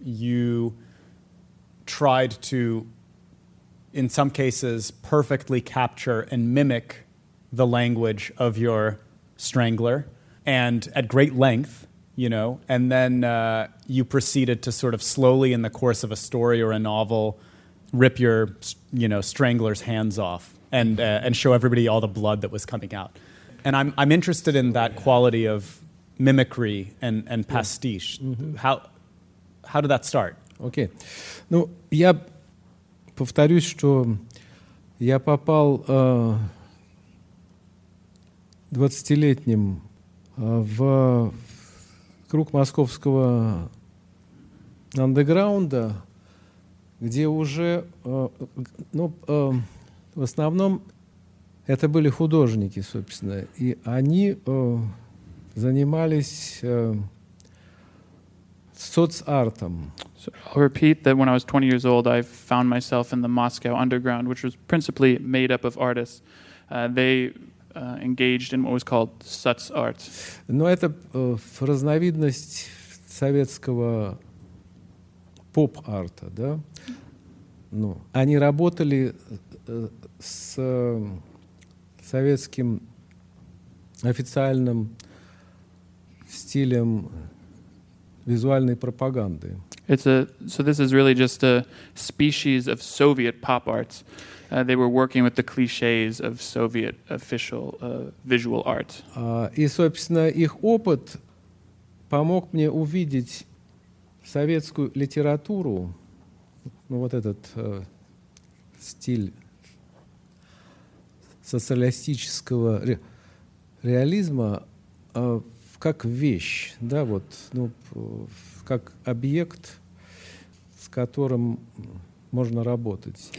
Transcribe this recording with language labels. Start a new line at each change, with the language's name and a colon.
English: You tried to, in some cases, perfectly capture and mimic the language of your strangler, and at great length, you know, and then you proceeded to sort of slowly, in the course of a story or a novel, rip your, you know, strangler's hands off and show everybody all the blood that was coming out. And I'm interested in that quality of mimicry and pastiche. Mm-hmm. How did that start? Okay.
Russian: Ну, я повторюсь, что я попал 20-летним в круг московского андеграунда, где уже, ну, в основном это были художники, собственно, и они занимались соцартом.
English: So I'll repeat that when I was 20 years old, I found myself in the Moscow underground, which was principally made up of artists. They engaged in what was called соцарт.
Russian: Но это разновидность советского поп-арта, да? Ну, они работали с советским официальным стилем визуальной пропаганды.
English: So this is really just a species of Soviet pop art. They were working with the cliches of Soviet official visual art.
Russian: И, собственно, их опыт помог мне увидеть советскую литературу, ну, вот этот стиль социалистического реализма как вещь, да, вот, ну, как объект, с которым можно работать.